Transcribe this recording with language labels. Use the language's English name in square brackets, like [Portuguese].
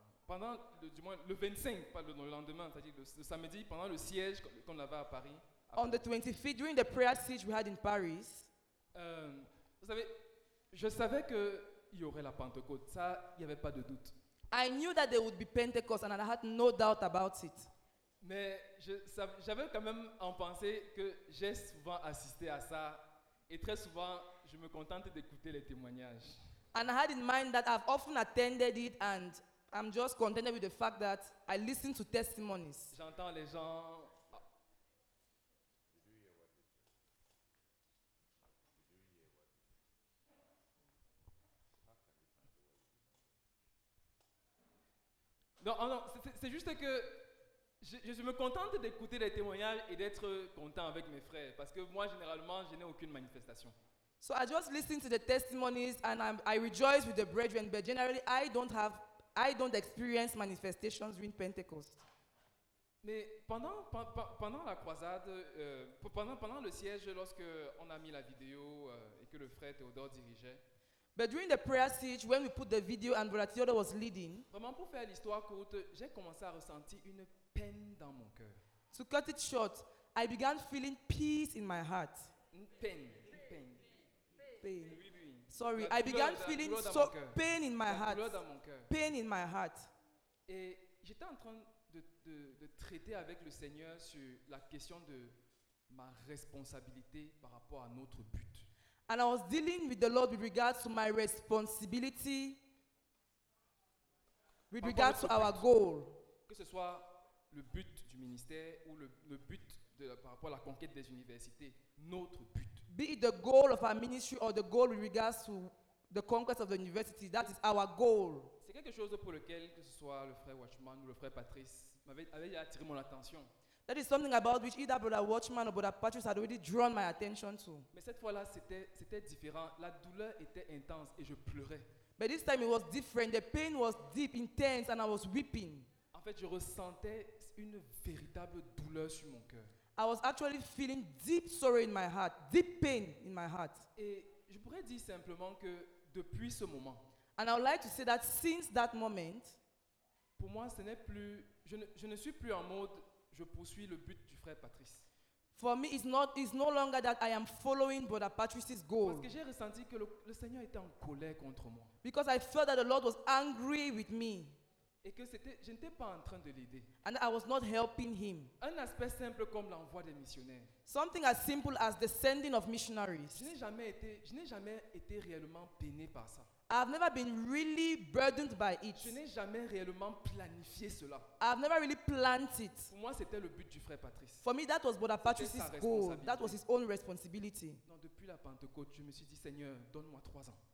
[French] Le lendemain, c'est-à-dire le samedi, pendant le siège qu'on avait à Paris. [English] On the 25th, during the prayer siege we had in Paris. [French] Vous savez, je savais qu'il y aurait la Pentecôte. Ça, il n'y avait pas de doute. [English] I knew that there would be Pentecost and I had no doubt about it. [French] Mais j'avais quand même en pensée que j'ai souvent assisté à ça et très souvent je me contente d'écouter les témoignages. [English] And I had in mind that I've often attended it and I'm just contented with the fact that I listen to testimonies. [French] J'entends les gens. Non, c'est juste que je me contente d'écouter les témoignages et d'être content avec mes frères parce que moi généralement je n'ai aucune manifestation. [English] So I just listen to the testimonies and I rejoice with the brethren, but generally I don't experience manifestations during Pentecost. [French] Mais pendant la croisade, pendant le siège, lorsque on a mis la vidéo et que le frère Théodore dirigeait. [English] But during the prayer siege, when we put the video and Brother Theodore was leading. [French] Vraiment pour faire l'histoire courte, j'ai commencé à ressentir une peine dans mon cœur. [English] To cut it short, I began feeling peace in my heart. [French] Une peine. Pain. [English] Pain. Sorry, I began feeling so pain in my heart. Pain in my heart. [French] Et j'étais en train de traiter avec le Seigneur sur la question de ma responsabilité par rapport à notre but. [English] And I was dealing with the Lord with regards to my responsibility, with regards to our goal. [French] Que ce soit le but du ministère ou le but de, par rapport à la conquête des universités, notre but. [English] Be it the goal of our ministry or the goal with regards to the conquest of the university, that is our goal. [French] C'est quelque chose pour lequel, que ce soit le frère Watchman ou le frère Patrice, m'avait attiré mon attention. [English] That is something about which either Brother Watchman or Brother Patrice had already drawn my attention to. [French] Mais cette fois-là, c'était différent. La douleur était intense et je pleurais. [English] But this time it was different. The pain was deep, intense, and I was weeping. [French] En fait, je ressentais une véritable douleur sur mon cœur. [English] I was actually feeling deep sorrow in my heart, deep pain in my heart. [French] Et je pourrais dire simplement que depuis ce moment. [English] And I would like to say that since that moment, [French] pour moi, ce n'est plus. Je ne suis plus en mode. Je poursuis le but du frère Patrice. [English] For me, it's no longer that I am following Brother Patrice's goal. [French] Parce que j'ai ressenti que le Seigneur était en colère contre moi. [English] Because I felt that the Lord was angry with me. [French] Et que je n'étais pas en train de l'aider. [English] And I was not helping him. [French] Un aspect simple comme l'envoi des missionnaires. [English] Something as simple as the sending of missionaries. [French] Je n'ai jamais été réellement peiné par ça. [English] I've never been really burdened by it. [French] Je n'ai jamais réellement planifié cela. [English] I've never really planned it. [French] Pour moi, c'était le but du frère Patrice. [English] For me, that was Brother Patrice's goal. That was his own responsibility. [French] Non, depuis la Pentecôte, je me suis dit, Seigneur, donne-moi 3 ans.